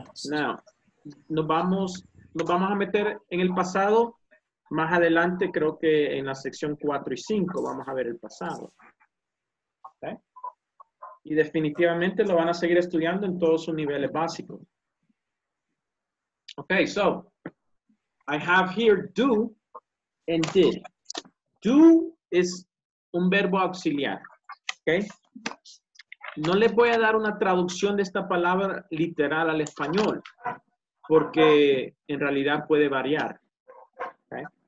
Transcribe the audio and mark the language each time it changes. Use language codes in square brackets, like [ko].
[es] Now, nos vamos a meter en el pasado. Más adelante, creo que en la sección 4 y 5 vamos a ver el pasado, okay? Y definitivamente lo van a seguir estudiando en todos sus niveles básicos. [en] Okay, so I have here do and did. Do is [es] un verbo auxiliar, okay? No les voy a dar una traducción de esta palabra literal al español, porque en realidad puede variar, okay?